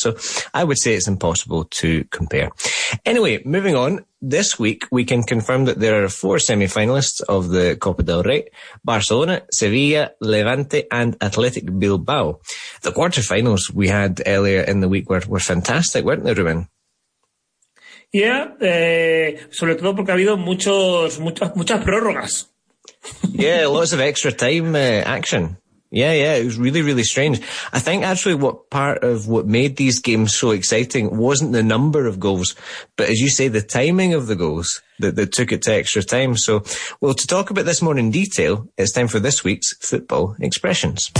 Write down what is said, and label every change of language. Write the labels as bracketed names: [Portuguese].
[English] So I would say it's impossible to compare. Anyway, moving on. This week, we can confirm that there are four semi-finalists of the Copa del Rey: Barcelona, Sevilla, Levante, and Athletic Bilbao. The quarterfinals we had earlier in the week were fantastic, weren't they, Ruben? [Spanish] Yeah, sobre todo porque ha habido muchas prórrogas. [English] Yeah, lots of extra time action. Yeah, yeah, it was really, really strange. I think actually what part of what made these games so exciting wasn't the number of goals, but as you say, the timing of the goals that took it to extra time. So, well, to talk about this more in detail, it's time for this week's Football Expressions.